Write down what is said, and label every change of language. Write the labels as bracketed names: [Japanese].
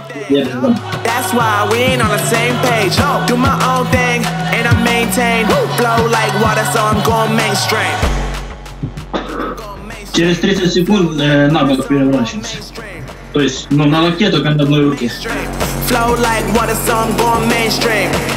[English] That's why we ain't on the same page. Do my own thing and I maintain. Flow like water, so I'm going mainstream. [Russian] Через 30 секунд на бок переворачиваемся. То есть, ну, на локте, только на одной руке. [English] Flow like water, so I'm going mainstream.